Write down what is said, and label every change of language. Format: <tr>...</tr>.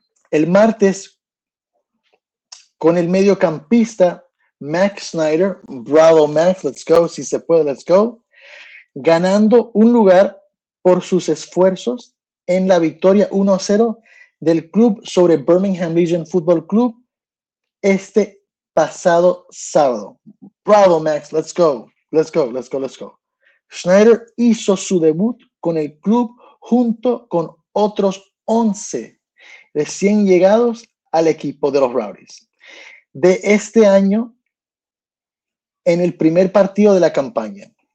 <es>El martes, con el mediocampista Max Snyder, bravo Max,</es> <en>let's go,</en> <es>si se puede, let's go, ganando un lugar por sus esfuerzos en la victoria 1-0 del club sobre Birmingham Legion Football Club este pasado sábado.</es> <en>Bravo Max, let's go, let's go, let's go, let's go.</en> <es>Snyder hizo su debut con el club junto con otros 11 recién llegados al equipo de los Rowdies de este año en el primer partido de la campaña.</es>